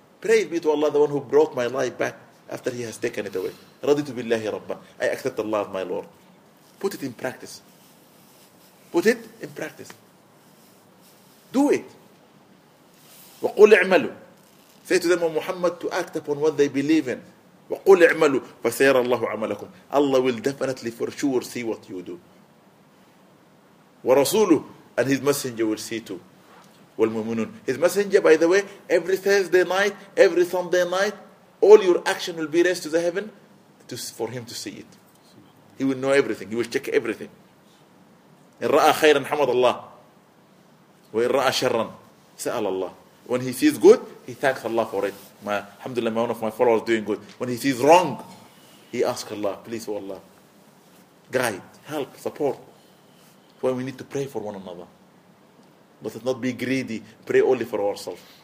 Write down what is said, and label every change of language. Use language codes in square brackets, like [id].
[en] Praise be to Allah, the one who brought my life back after he has taken it away. [ar] رضيت بالله ربا. [en] I accept Allah as my Lord. Put it in practice. Put it in practice. Do it. [ar] وقول اعملوا. [en] Say to them, O Muhammad, to act upon what they believe in. [ar] وقول اعملوا فسيرى الله عملكم. [en] Allah will definitely for sure see what you do. [ar] ورسوله [en] and his messenger will see too. [ar] والمؤمنون. [en] His messenger, by the way, every Thursday night, every Sunday night, all your action will be raised to the heaven to, for him to see it. He will know everything. He will check everything. [ar] إن رأى خيرا حمد الله وإن رأى شرا سأل الله. [en] When he sees good, he thanks Allah for it. Alhamdulillah, one of my followers doing good. When he sees wrong, he asks Allah, please, oh Allah, guide, help, support. That's why we need to pray for one another. Let us not be greedy, pray only for ourselves.